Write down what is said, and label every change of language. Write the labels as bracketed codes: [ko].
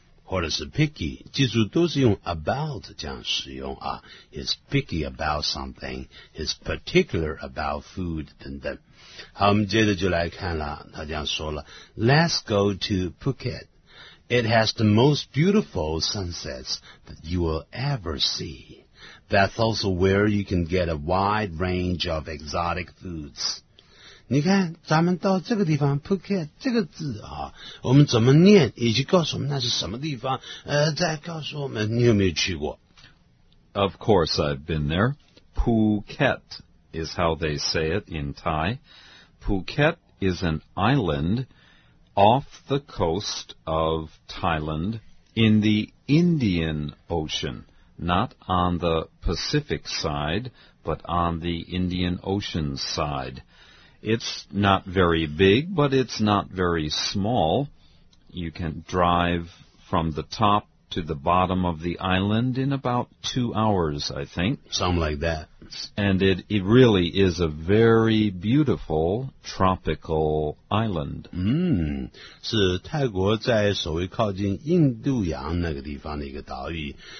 [zh] 或者是 picky, 记住都是用 about 这样使用啊 , [en] is picky about something, is particular about food, [zh] 等等。好我们接着就来看了他这样说了 , [en] let's go to Phuket. It has the most beautiful sunsets that you will ever see. That's also where you can get a wide range of exotic foods. [zh] 你看咱们到这个地方 Phuket 这个字啊我们怎么念以及告诉我们那是什么地方再告诉我们你有没有去过 [en] Of course I've been there. Phuket is how they say it in Thai. Phuket is an island off the coast of Thailand in the Indian Ocean, not on the Pacific side, but on the Indian Ocean side. It's not very big, but it's not very small. You can drive from the top to the bottom of the island in about 2 hours, I think. Something like that. And it really is a very beautiful tropical island. [zh] 是泰国在所谓靠近印度洋那个地方的一个岛屿。